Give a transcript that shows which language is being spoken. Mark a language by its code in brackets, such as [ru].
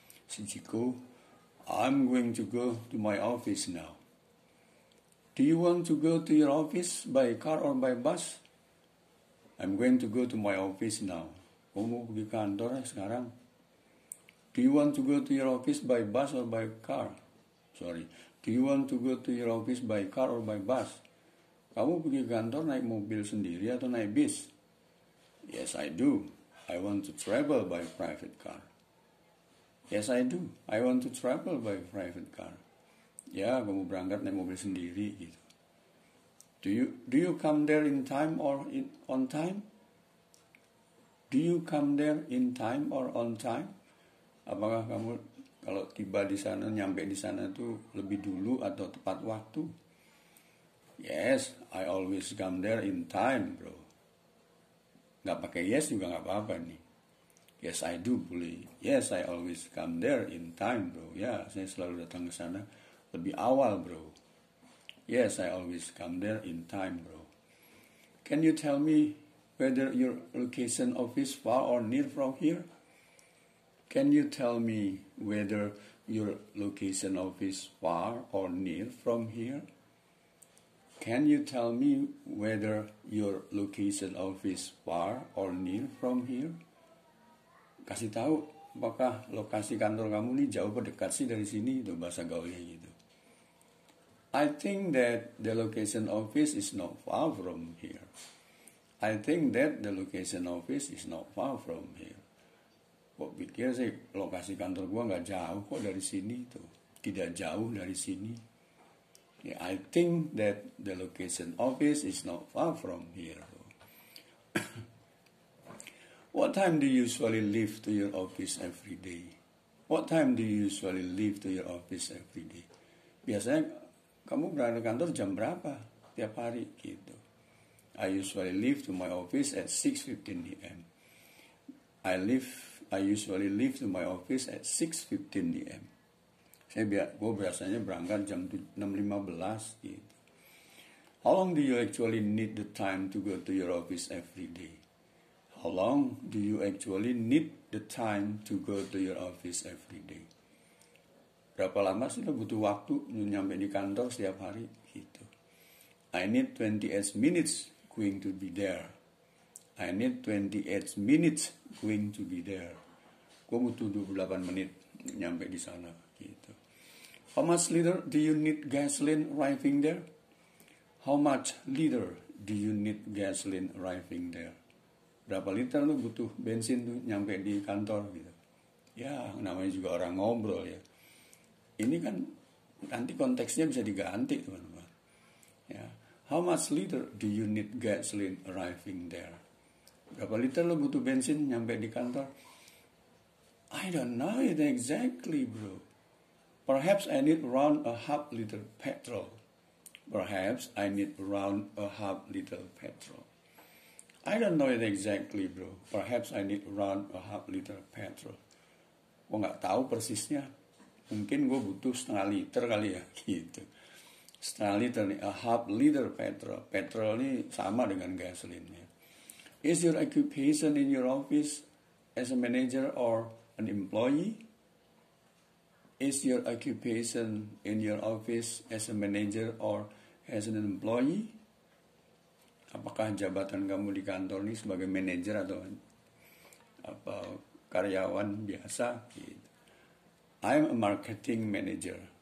[en] Shinjiku, I'm going to go to my office now. Do you want to go to your office by car or by bus? I'm going to go to my office now. [id] Kamu mau pergi kantor sekarang? [en] Do you want to go to your office by bus or by car? Sorry. Do you want to go to your office by car or by bus? [id] Kamu pergi kantor naik mobil sendiri atau naik bis? [en] Yes, I do. I want to travel by private car. Yes, I do. I want to travel by private car. [id] Ya, aku mau berangkat naik mobil sendiri gitu. [en] Do you come there in time or on time? Do you come there in time or on time? [id] Apakah kamu kalau tiba di sana, nyampe di sana itu lebih dulu atau tepat waktu? [en] Yes, I always come there in time, bro. [id] Gak pakai yes juga gak apa-apa nih. [en] Yes, I do, [id] boleh. [en] Yes, I always come there in time, bro. [id] Ya, yeah, saya selalu datang ke sana lebih awal, bro. [en] Yes, I always come there in time, bro. Can you tell me whether your location office far or near from here? Can you tell me whether your location office far or near from here? Can you tell me whether your location office far or near from here? [id] Kasih tahu apakah lokasi kantor kamu ini jauh atau dekat sih dari sini, itu bahasa gaulnya gitu. [en] I think that the location office is not far from here. I think that the location office is not far from here. [id] Kok pikir sih lokasi kantor gua enggak jauh kok dari sini itu. Tidak jauh dari sini. [en] Yeah, I think that the location office is not far from here. What time do you usually leave to your office every day? What time do you usually leave to your office every day? [id] Biasanya kamu berada di kantor jam berapa tiap hari gitu. [en] I usually leave to my office at 6:15 a.m. I usually leave to my office at 6:15 a.m. [id] Gue biasanya berangkat jam 6:15 gitu. [en] How long do you actually need the time to go to your office every day? How long do you actually need the time to go to your office every day? [id] Berapa lama sih lo butuh waktu nyampe di kantor setiap hari? Gitu. [en] I need 28 minutes going to be there. I need 28 minutes going to be there. [id] Gue butuh 28 menit nyampe di sana. Gitu. [en] How much liter do you need gasoline arriving there? How much liter do you need gasoline arriving there? [id] Berapa liter lu butuh bensin tuh nyampe di kantor gitu. Ya, namanya juga orang ngobrol ya. Ini kan nanti konteksnya bisa diganti, teman-teman. [en] Ya, how much liter do you need gasoline arriving there? [id] Berapa liter lu butuh bensin nyampe di kantor? [en] I don't know it exactly, bro. Perhaps I need around a half liter petrol. Perhaps I need around a half liter petrol. I don't know it exactly, bro. Perhaps I need around a half liter petrol. [id] Gue nggak tahu persisnya. Mungkin gue butuh setengah liter kali ya, gitu. Setengah liter nih, [en] a half liter petrol. [id] Petrol ini sama dengan gasoline. Ya. [en] Is your occupation in your office as a manager or an employee? Is your occupation in your office as a manager or as an employee? [id] Apakah jabatan kamu di kantor ini sebagai manajer atau apa karyawan biasa? Gitu. [en] I'm a marketing manager.